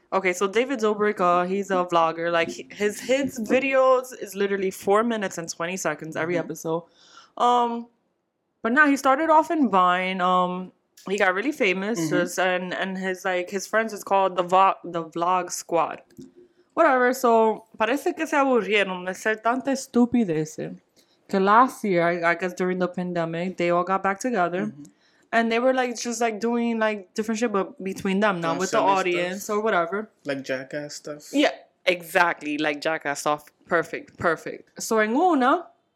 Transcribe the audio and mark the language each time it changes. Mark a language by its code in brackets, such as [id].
[en] Okay, so David Dobrik, he's a vlogger. Like, his videos is literally 4 minutes and 20 seconds every mm-hmm. episode. But now he started off in Vine. He got really famous, mm-hmm. just, and his like his friends is called the Vlog Squad, whatever. [es] So parece que se aburrieron de ser tanta estupidez. [en] Que last year, I guess during the pandemic, they all got back together, mm-hmm. and they were like just like doing like different shit, but between them, not with the audience stuff. Or whatever. Like Jackass stuff. Yeah, exactly. Like Jackass stuff. Perfect. So en una.